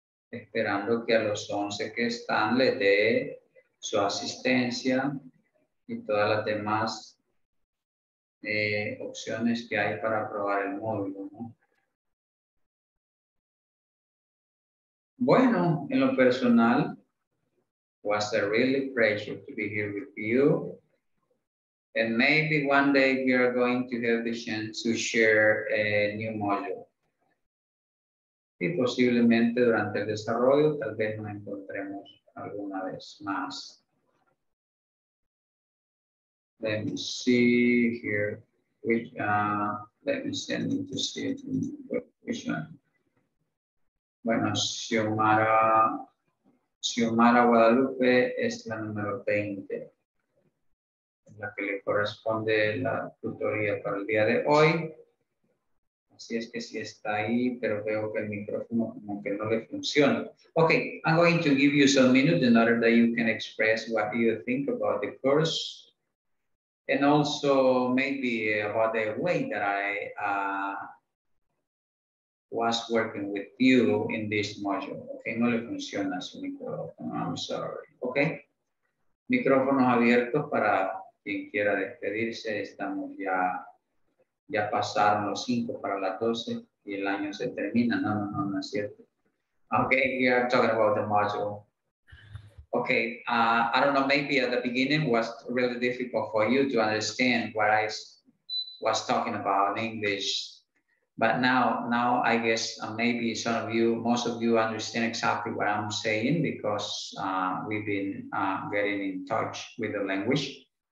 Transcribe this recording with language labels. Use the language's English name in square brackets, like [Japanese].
[Spanish] Esperando que a los 11 que están les dé su asistencia y todas las demás opciones que hay para probar el módulo, ¿no? Bueno, en lo personal, [English] was a really pleasure to be here with you. And maybe one day we are going to have the chance to share a new module. [Spanish] Y posiblemente durante el desarrollo, tal vez nos encontremos alguna vez más. [English] Let me see here. Which, let me see, I need to see it in which one. [Spanish] Bueno, Xiomara. Xiomara Guadalupe es la número 20, la que le corresponde la tutoría para el día de hoy. Así es que sí está ahí, pero veo que el micrófono como que no le funciona. [English] Ok, I'm going to give you some minutes in order that you can express what you think about the course and also maybe about the way that I was working with you in this module. [Spanish] Okay, no le funciona su micrófono. [English] I'm sorry. [Spanish] Okay. Micrófonos abiertos para quien quiera despedirse. Estamos ya, ya pasaron los 5 para las 12 y el año se termina. No, no, no, no es cierto. [English] Okay, we are talking about the module. Okay, I don't know, maybe at the beginning was really difficult for you to understand what I was talking about in English. But now I guess maybe some of you, most of you understand exactly what I'm saying because we've been getting in touch with the language.